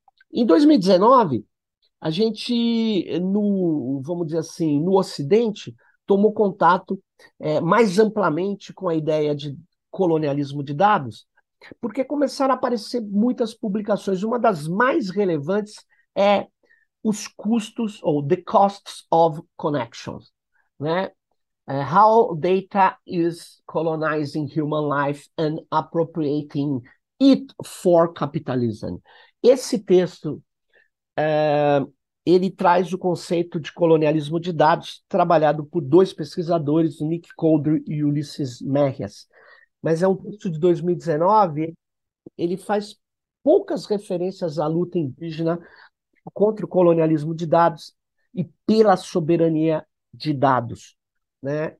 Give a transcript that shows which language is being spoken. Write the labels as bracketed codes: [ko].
[pt] Em 2019, a gente, no, vamos dizer assim, no Ocidente, tomou contato mais amplamente com a ideia de colonialismo de dados, porque começaram a aparecer muitas publicações. Uma das mais relevantes é os custos, ou [en] the costs of connections, [pt] né? [en] How data is colonizing human life and appropriating it for capitalism. [pt] Esse texto, ele traz o conceito de colonialismo de dados, trabalhado por dois pesquisadores, Nick Coulder e Ulisses Mérias. Mas é um texto de 2019, ele faz poucas referências à luta indígena contra o colonialismo de dados e pela soberania de dados, né?